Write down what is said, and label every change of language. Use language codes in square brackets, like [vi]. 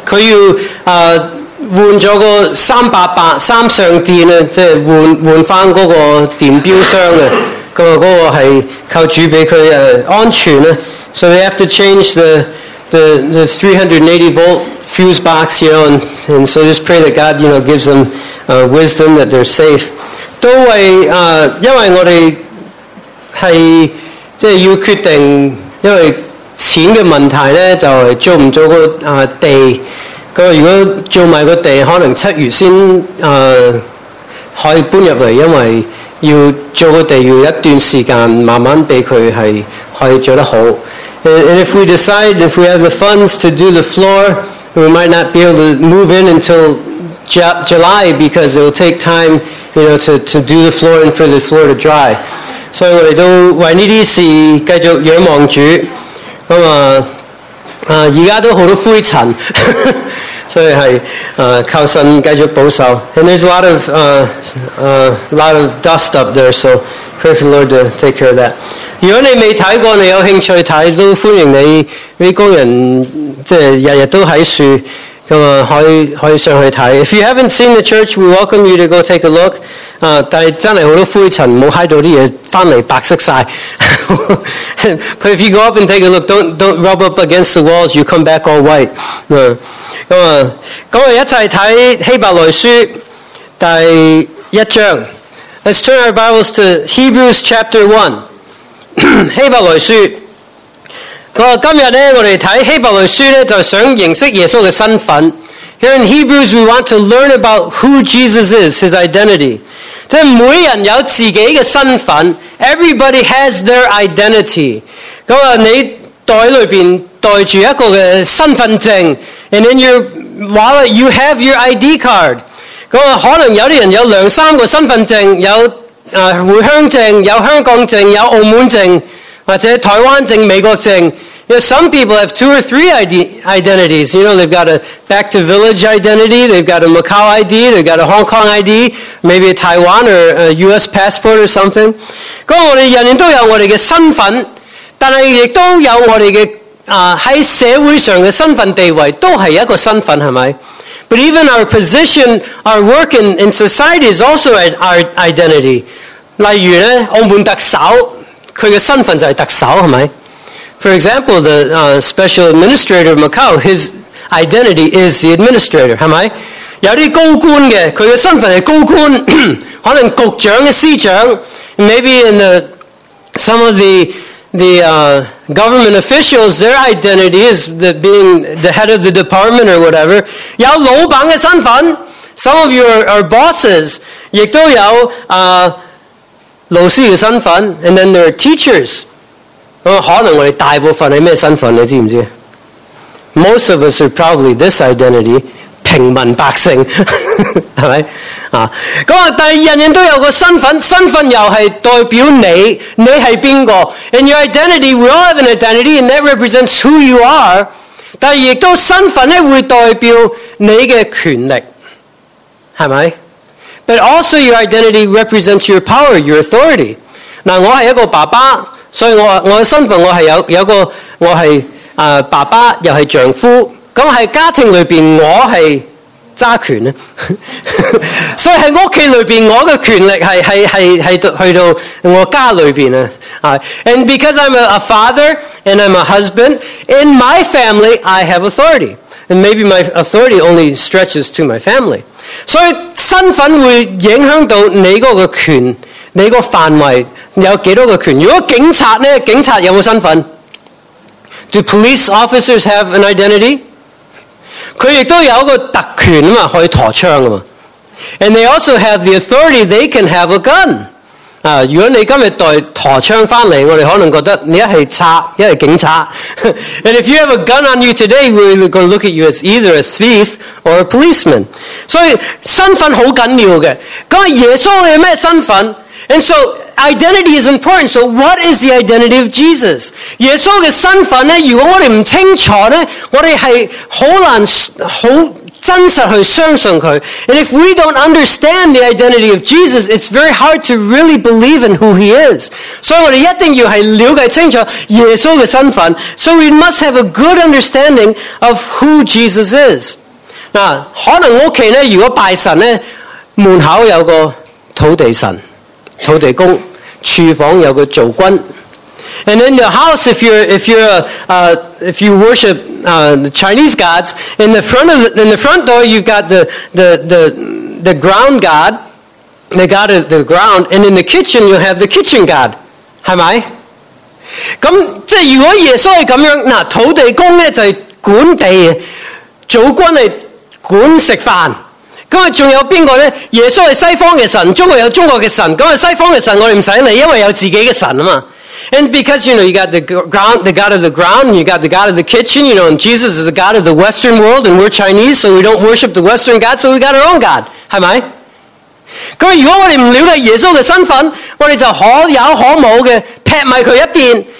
[yue] 佢要换咗个三上电啊，即系换翻嗰个电表箱啊。那个是靠主给他安全的， [en] so they have to change the 380 volt fuse box, you know, and so just pray that God, you know, gives them wisdom that they're safe. [yue] 都为因为我们是即系要决定，因为钱的问题呢，就是做不做个地，如果做埋个地，可能七月先可以搬入嚟，因为要做个地要一段时间，慢慢俾佢系可以做得好。 [en] And if we decide if we have the funds to do the floor, we might not be able to move in until July because it will take time, you know, to do the floor and for the floor to dry. [yue] 所以我哋都为呢啲事继续仰望主。咁啊，而家都好多灰尘，所以是靠神继续保守。 [en] And there's a lot of dust up there, so pray for the Lord to take care of that. [yue] 如果你未睇过，你有兴趣睇，都欢迎你。啲工人即系日日都喺树，咁啊可以上去睇。 [en] If you haven't seen the church, we welcome you to go take a look. [yue] 但系真系好多灰尘，冇喺到啲嘢翻嚟白色晒。 [en] But if you go up and take a look, don't rub up against the walls. You come back all white. [yue] 咁我一齐睇希伯来书第一章。 [en] Let's turn our Bibles to Hebrews chapter 1. [yue] 希伯来书。今日呢，我哋睇希伯来书呢，就想认识耶稣嘅身份。 [en] Here in Hebrews, we want to learn about who Jesus is, his identity. [yue] 即系每人有自己嘅身份。 [en] Everybody has their identity. [yue] 咁你袋里边带住一个嘅身份证。 [en] And in your wallet, you have your ID card. [yue] 咁可能有啲人有两三个身份证，有回乡证，有香港证，有澳门证，或者台湾证、美国证。 [en] You know, some people have two or three identities. You know, they've got a back to village identity, they've got a Macau ID, they've got a Hong Kong ID, maybe a Taiwan or a US passport or something. [yue] 咁我哋人人都有我哋嘅身份，但系亦都有我哋嘅在社会上的身份地位都是一个身份，是不是？ [en] But even our position, our work in society is also our identity. [yue] 例如呢，澳门特首，他的身份就是特首，是不是？ [en] For example, the special administrator of Macau, his identity is the administrator, [yue] 是不是？有些高官的，他的身份是高官，可能局长的司长， [en] maybe in some of the government officials, their identity is that being the head of the department or whatever. [yue] 有老板的身份， [en] some of you are bosses, [yue] 亦都有老师的身份， [en] and then there are teachers. [yue] 可能我们大部分是什么身份，你知不知道？ [en] Most of us are probably this identity, [yue] 平民百姓，是不是？但人人都有个身份，身份又是代表你，你是边个。 [en] And your identity, we all have an identity, and that represents who you are. [yue] 但亦都身份呢会代表你的权力，是不是？ [en] But also your identity represents your power, your authority. [yue] 我是一个爸爸，所以我的身份我是有个，我是爸爸又是丈夫，咁喺家庭里边，我系揸权咧，所以喺屋企里边，我嘅权力系去到我家里边啊。 [en] And because I'm a father and I'm a husband, in my family I have authority, and maybe my authority only stretches to my family. [yue] 所以身份会影响到你嗰个权，你个范围有几多个权？如果警察咧，警察有冇身份？ [en] Do police officers have an identity? [yue] 他亦都有一个特权嘛，可以陀枪嘛。 And they also have the authority, they can have a gun. 啊，如果你今日带陀枪翻嚟，我哋可能觉得你一系贼，一系警察。 And if you have a gun on you today, we're going to look at you as either a thief or a policeman. 所以身份好紧要嘅。咁耶稣有咩身份？ And so, identity is important. So, what is the identity of Jesus? 耶稣的身份呢，如果我们不清楚呢，我们是很难很真实去相信他。 And if we don't understand the identity of Jesus, it's very hard to really believe in who he is. 所以我们一定要是了解清楚耶稣的身份。 So, we must have a good understanding of who Jesus is. 那可能屋企呢，如果拜神呢，门口有个土地神。土地公，厨房有个灶君。 [en] And in the house, if you worship the Chinese gods, in the front door, you've got the ground god, the god of the ground, and in the kitchen, you have the kitchen god. [yue] 是吗？咁即系如果耶稣系咁样，嗱，土地公咧就系管地，灶君系管食饭。咁啊，仲有边个咧？耶稣系西方嘅神，中国有中国嘅神。咁啊，西方嘅神我哋唔使理，因为有自己嘅神啊嘛。 [en] And because you know you got the ground, the God of the ground, you got the God of the kitchen, you know, and Jesus is the God of the Western world, and we're Chinese, so we don't worship the Western God, so we got our own God， [yue] 系咪？咁如果我哋唔了解耶稣嘅身份，我哋就可有可冇嘅撇埋佢一边。